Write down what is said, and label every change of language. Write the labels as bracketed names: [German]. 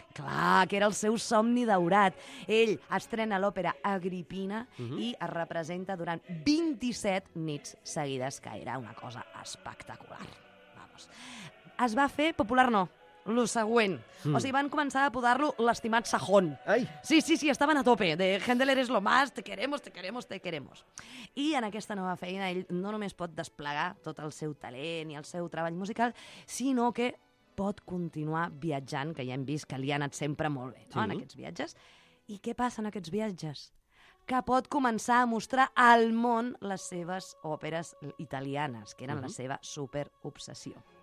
[Catalan] Clar, que era el seu somni daurat. Ell estrena l'òpera Agripina i es representa durant 27 nits seguides, que era una cosa espectacular. Vamos. Es va fer popular, no, lo següent. Mm. O sigui, van començar a apodar-lo l'estimat Sajón. Ai. Sí, sí, sí, estaven a tope. [Spanish] De Händel eres lo más, te queremos, te queremos, te queremos. [Catalan] I en aquesta nova feina ell no només pot desplegar tot el seu talent i el seu treball musical, sinó que pot continuar viatjant, que ja hem vist que li ha anat sempre molt bé, no? Sí. En aquests viatges. I què passa en aquests viatges? Que pot començar a mostrar al món les seves òperes italianes, que eren la seva superobsessió.